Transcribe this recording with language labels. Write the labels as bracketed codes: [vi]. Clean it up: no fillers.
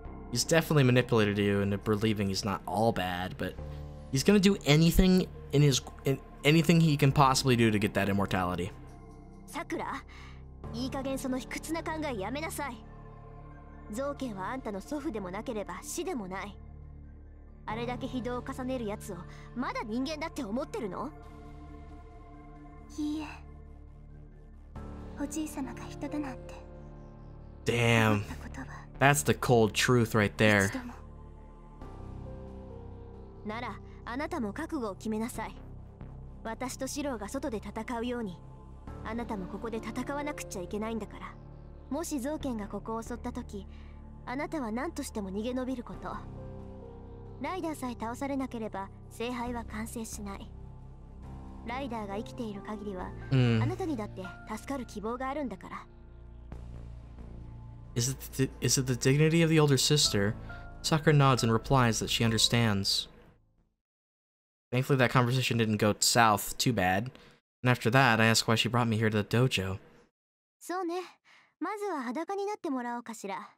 [en] He's definitely manipulated you into believing he's not all bad, but he's gonna do anything in his in anything he can possibly do to get that immortality. [ja] Sakura, いい加減その卑屈な考えやめなさい。造形はあんたの祖父でもなければ死でもない。あれだけ非道を重ねるやつをまだ人間だって思ってるの？いいえ。おじい様が人だなんて。 [en] Damn. That's the cold truth right there. [ja] ならあなたも覚悟を決めなさい。私とシローが外で戦うように。あなたもここで戦わなくちゃいけないんだから。もし造剣がここを襲った時、あなたは何としても逃げ延びること。ライダーさえ倒されなければ聖杯は完成しない。ライダーが生きている限りは、あなたにだって助かる希望があるんだから。 [en] Is it the dignity of the older sister? Sakura nods and replies that she understands. Thankfully, that conversation didn't go south too bad. And after that, I ask why she brought me here to the dojo. [ja] So, ne. Mazu wa hadaka ni natte morao kashira.